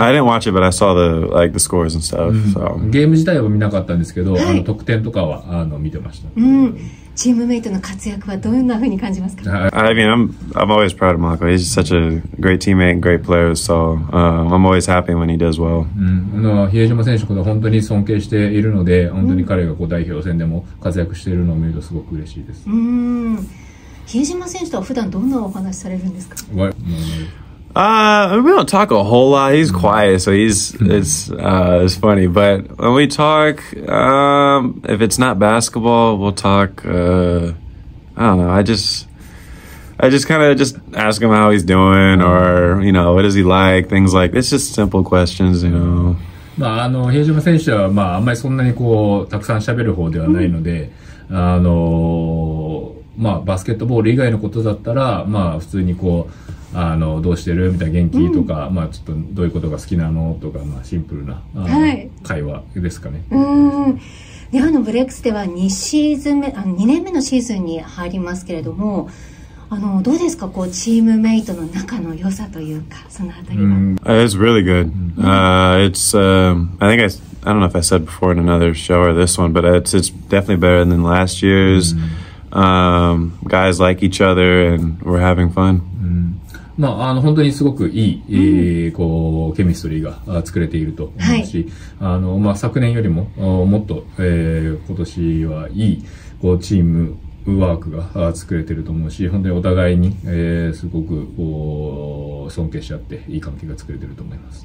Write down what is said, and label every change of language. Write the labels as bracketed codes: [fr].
[en] I didn't watch it, but I saw the like the scores and stuff. So. [ja] ゲーム自体は見なかったんですけど、はい、得点とかは見てました。チームメイトの活躍はどんな風に感じますか？ [en] I mean, I'm always proud of Marco. He's such a great teammate and great player. So, I'm always happy when he does well. [ja] 比江島選手は本当に尊敬しているので、本当に彼がこう代表戦でも活躍しているのを見るとすごく嬉しいです。比江島選手とは普段どんなお話されるんですか？ [en] We don't talk a whole lot. He's quiet, so it's funny. But when we talk, if it's not basketball, we'll talk, I don't know. I just ask him how he's doing or, you know, what does he like? Things like, it's just simple questions, you know. [ja] まあ、あの平島選手は、まあ、あんまりそんなにこうたくさん喋る方ではないので、うん、まあ、バスケットボール以外のことだったら、まあ、普通にこうどうしてるみたいな元気とか、うん、まあ、ちょっとどういうことが好きなのとか、まあ、シンプルな、はい、会話ですかね。うん、であのブレックスでは2年目のシーズンに入りますけれども、どうですか、こうチームメイトの中の良さというか、そのあたりは。 [en] It's really good. It's, I think I don't know if I said before in another show or this one, but it's definitely better than last year's. Guys like each other and we're having fun. [ja] まあ、本当にすごくいい、こうケミストリーが作れていると思うし、はい、まあ、昨年よりももっと、今年はいいこうチームワークが作れていると思うし、本当にお互いに、すごくこう尊敬し合っていい関係が作れていると思います。